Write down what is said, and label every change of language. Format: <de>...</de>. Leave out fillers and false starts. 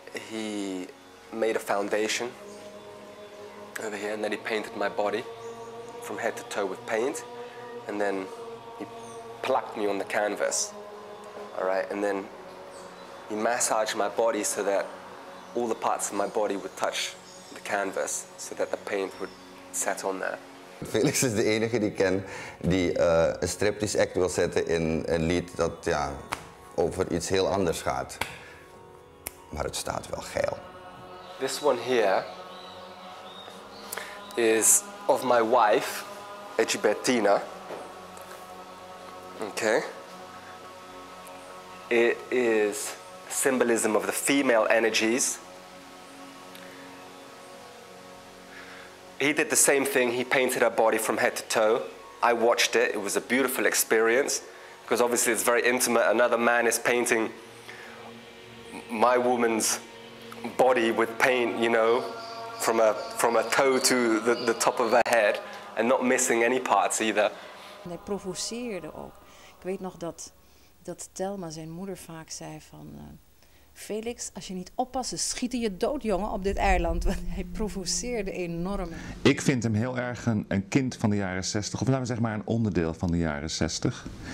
<en>He made a foundation over here, and then he painted my body from head to toe with paint, and then he plucked me on the canvas. All right, and then he massaged my body so that all the parts of my body would touch the canvas, so that the paint would set on there.</en> <nl>Felix is de enige die ik ken die een striptease act wil zetten in een lied dat over iets heel anders gaat. Maar het staat wel geil.</nl> <en>This one here is of my wife, Egbertina. Okay. It is symbolism of the female energies. He did the same thing. He painted her body from head to toe. I watched it. It was a beautiful experience because obviously it's very intimate. Another man is painting my woman's body with paint, from a toe to the top of her head, and not missing any parts either.</en> <nl>En hij provoceerde ook. Ik weet nog dat Thelma, zijn moeder, vaak zei van Felix, als je niet oppast, schieten je doodjongen op dit eiland. Want hij provoceerde enorm. Ik vind hem heel erg een kind van de jaren 60. Of laten we zeggen maar een onderdeel van de jaren 60.</nl>